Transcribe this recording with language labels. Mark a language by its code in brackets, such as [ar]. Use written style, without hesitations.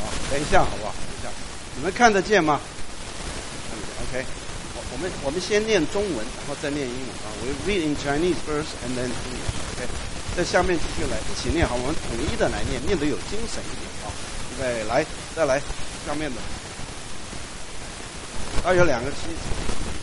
[zh] 等一下，好不好？等一下，你们看得见吗 ？OK， 我们先念中文，然后再念英文啊。 [en] We read in Chinese first and then English. [zh] OK， 在下面继续来一起念，好，我们统一的来念，念得有精神一点啊。预备，来，再来，下面的，它有两个妻子。